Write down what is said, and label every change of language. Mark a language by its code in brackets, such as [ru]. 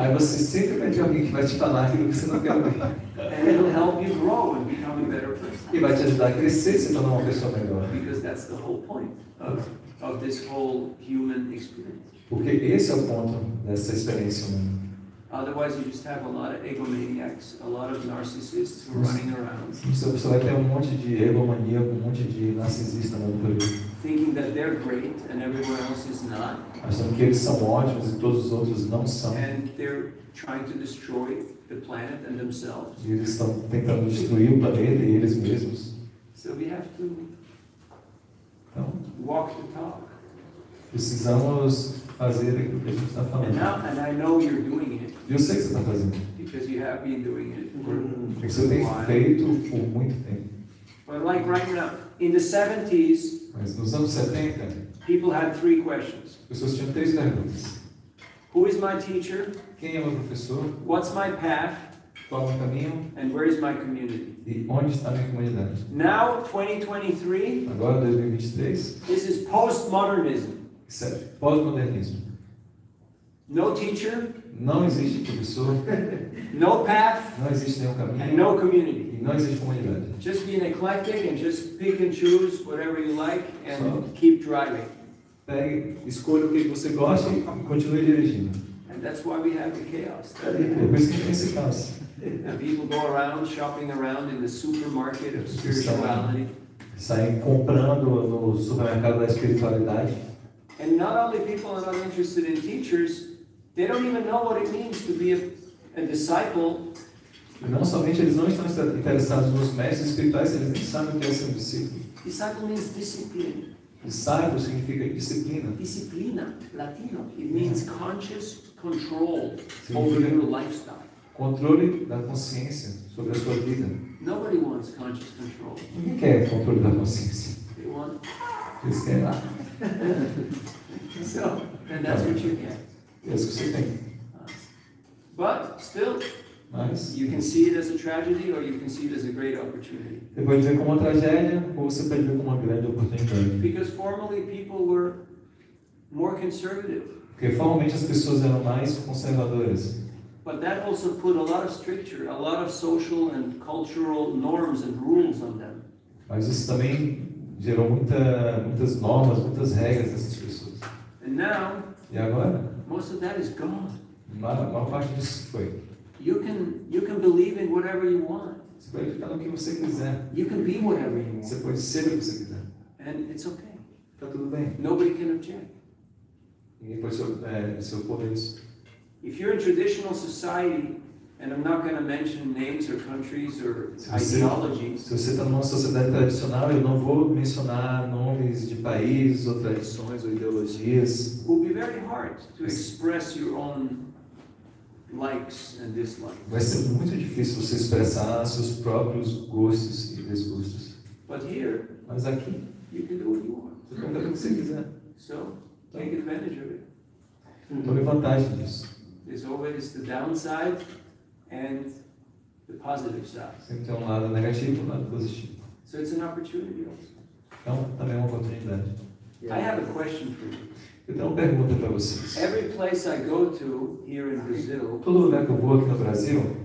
[pt] hear. Aí você sempre vai ter alguém que vai te falar aquilo que você não quer ouvir. [en] And it'll help you grow and become a better person. [pt] E vai te ajudar a crescer e se tornar uma pessoa melhor. [en] Because that's the whole point of this whole human experience. [pt] Porque esse é o ponto dessa experiência humana. [en] Otherwise, you just have a lot of egomaniacs, a lot of narcissists who are running around. [pt] Você vai ter um monte de egomaníaco, um monte de narcisista no mundo. [en] Thinking that they're great and everyone else is not. [pt] Achando que eles são ótimos e todos os outros não são. [en] And they're trying to destroy the planet and themselves. [pt] E eles estão tentando destruir o planeta e eles mesmos. [en] So we have to walk the talk. [pt] Precisamos fazer aquilo que a gente está falando. [en] And I know you're doing it. [pt] Eu sei que você está fazendo. [en] Because you have been doing it for [pt] Você tem feito por muito tempo. [en] But like right now, in the 70s, [pt] mas nos anos 70, [en] people had three questions. [pt] Pessoas tinham três perguntas. [en] Who is my teacher? [pt] Quem é meu professor? [en] What's my path? [pt] Qual é o caminho? [en] And where is my community? [pt] E onde está minha comunidade? [en] Now, 2023, [pt] agora 2023, [en] this is post-modernism. [pt] Certo, pós-modernismo. [en] No teacher. [pt] Não existe professor. [en] No path. [pt] Não existe nenhum caminho. [en] And no community. [pt] E não existe comunidade. [en] Just be eclectic and just pick and choose whatever you like and so, keep driving. [pt] Pegue, escolha o que você gosta e continue dirigindo. [en] And that's why we have the chaos. [pt] Por isso que tem esse caos. [en] And people go around shopping around in the supermarket of spirituality. [pt] Saem comprando no supermercado da espiritualidade. [en] And not only people are not interested in teachers, they don't even know what it means to be a disciple. [pt] E não somente eles não estão interessados nos mestres espirituais, eles nem sabem o que é ser um discípulo. [en] Disciple means discipline. [pt] Disciple significa disciplina. Disciplina, latino. [en] It means conscious control over your lifestyle. [pt] Controle da consciência sobre a sua vida. [en] Nobody wants conscious control. [pt] Ninguém quer controle da consciência. [en] They want... [pt] Eles querem lá. [en] So, and that's what you get. [pt] Yes, você tem. [en] But still, [pt] mas, [en] you can see it as a tragedy or you can see it as a great opportunity. [pt] Você pode ver como uma tragédia ou você pode ver como uma grande oportunidade. [en] Because formerly people were more conservative. [pt] Porque formalmente as pessoas eram mais conservadoras. [en] But that also put a lot of stricture, a lot of social and cultural norms and rules on them. [pt] Mas isso também gerou muitas normas, muitas regras nessas pessoas. [en] And now, [pt] e agora? [en] Most of that is gone. [pt] Uma parte disso foi. [en] You can believe in whatever you want. [pt] Você pode ficar no que você quiser. [en] You can be whatever you want. [pt] Você pode ser o que você quiser. [en] And it's okay. [pt] Tá tudo bem. [en] Nobody can object. [pt] Ninguém pode se opor a isso. [en] If you're in traditional society, and I'm not going to mention names or countries or ideologies. [pt] Se você está numa sociedade tradicional, eu não vou mencionar nomes de países ou tradições ou ideologias. [en] It will be very hard to express your own likes and dislikes. [pt] Vai ser muito difícil você expressar seus próprios gostos e desgostos. [en] But here, [pt] mas aqui, [en] you can do what you want. [pt] Você pode fazer o que você quiser. [en] So, take advantage of it. [pt] Tome vantagem disso. [en] There's always the downside and the positive side. [pt] Sempre tem um lado negativo e um lado positivo. [en] So it's an opportunity also. [pt] Então, também é uma oportunidade. [en] Yeah. I have a question for you. [pt] Eu tenho uma pergunta para vocês. [en] Every place I go to here in Brazil, [pt] todo lugar que eu vou aqui no Brasil,